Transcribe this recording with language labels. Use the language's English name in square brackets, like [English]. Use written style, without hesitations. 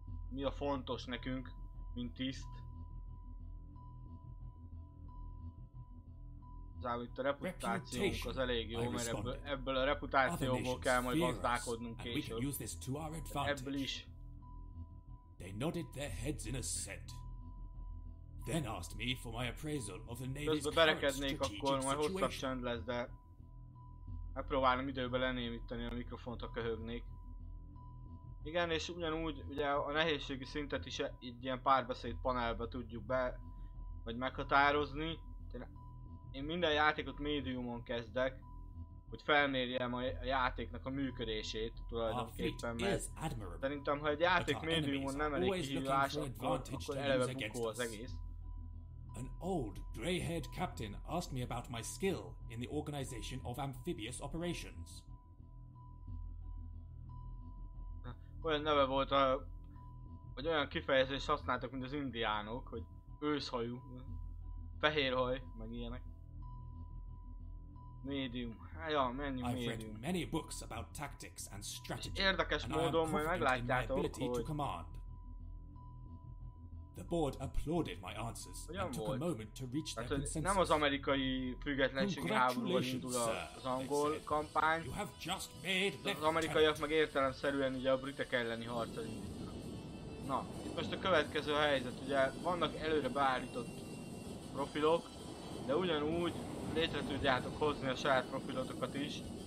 [Hungarian] Mi a fontos nekünk, mint tiszt. Zárva itt a reputációnk az elég jó, mert ebből a reputációból kell majd gazdálkodnunk később. Ebből is. [English] They nodded their heads in assent. Then asked me for my appraisal of the navy's current strategic situation. [Hungarian] Akkor majd hosszabb csend lesz, de megpróbálom időbe lenémítani a mikrofont, ha köhögnék. Igen, és ugyanúgy ugye a nehézségi szintet is így ilyen párbeszéd panelbe tudjuk be, vagy meghatározni. Én minden játékot médiumon kezdek, hogy felmérjem a játéknak a működését tulajdonképpen, mert szerintem, ha egy játék médiumon nem elég kihívás, akkor eleve bukó az egész. [English] An old, grey-haired captain asked me about my skill in the organization of amphibious operations. [Hungarian] Olyan neve volt, hogy olyan kifejezést használtak, mint az indiánok, hogy őszhajú, fehérhaj, meg ilyenek. Medium. Ja, menjünk medium. [English] I've read many books about tactics and strategy. [Hungarian] Érdekes módon majd meglátjátok, hogy... [English] The board applauded my answers and took a moment to reach their consensus. [Hungarian] Nem az amerikai függetlenségi háborúval indul az angol kampány. Az amerikaiak meg értelemszerűen ugye a britek elleni harcot indítanak. Na, itt most a következő helyzet, ugye vannak előre beállított profilok, de ugyanúgy létre tudjátok hozni a saját profilotokat is.